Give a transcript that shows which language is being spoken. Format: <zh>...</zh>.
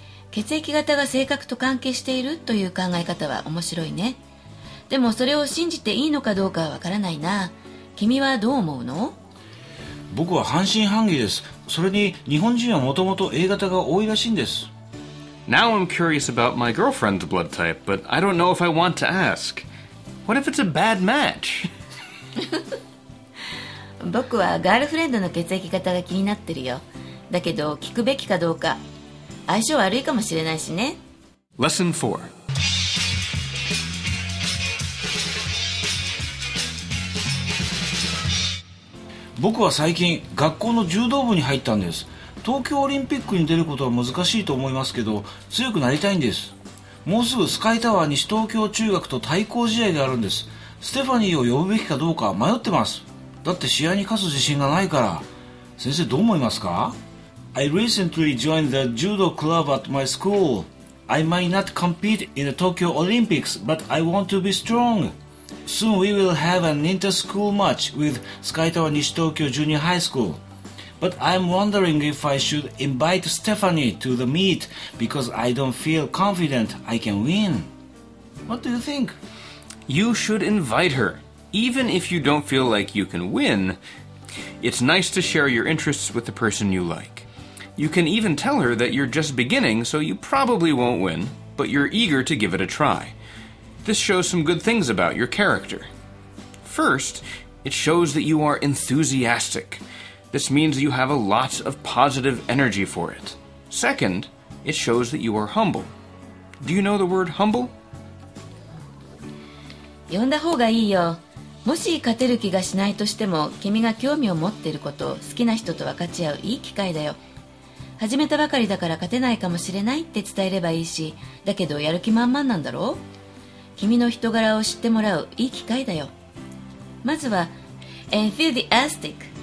<ja>血液型が性格と関係しているという考え方は面白いね。でもそれを信じていいのかどうかはわからないな。君はどう思うの？僕は半信半疑です。それに日本人はもともと A 型が多いらしいんです。</ja> <en>Now I'm curious about my girlfriend's blood type, but I don't know if I want to ask. What if it's a bad match?</en> <ja>僕はガールフレンドの血液型が気になってるよ。だけど聞くべきかどうか、相性悪いかもしれないしね。</ja> <en>Lesson</en> <ja>4。僕は最近学校の柔道部に入ったんです。東京オリンピックに出ることは難しいと思いますけど、強くなりたいんです。もうすぐスカイタワー西東京中学と対抗試合があるんです。ステファニーを呼ぶべきかどうか迷ってます。だって試合に勝つ自信がないから。先生どう思いますか？</ja> <en>I recently joined the judo club at my school. I might not compete in the Tokyo Olympics, but I want to be strong. Soon we will have an inter-school match with Skytower 西東京 Junior High School. But I'm wondering if I should invite Stephanie to the meet because I don't feel confident I can win. What do you think? You should invite her. Even if you don't feel like you can win, it's nice to share your interests with the person you like. You can even tell her that you're just beginning, so you probably won't win, but you're eager to give it a try. This shows some good things about your character. First, it shows that you are enthusiastic. This means you have a lot of positive energy for it. Second, it shows that you are humble. Do you know the word humble?</en> <ja>呼んだ方がいいよ。もし勝てる気がしないとしても、君が興味を持っていることを好きな人と分かち合ういい機会だよ。始めたばかりだから勝てないかもしれないって伝えればいいし、だけどやる気満々なんだろう。君の人柄を知ってもらういい機会だよ。まずは、enthusiastic。</ja>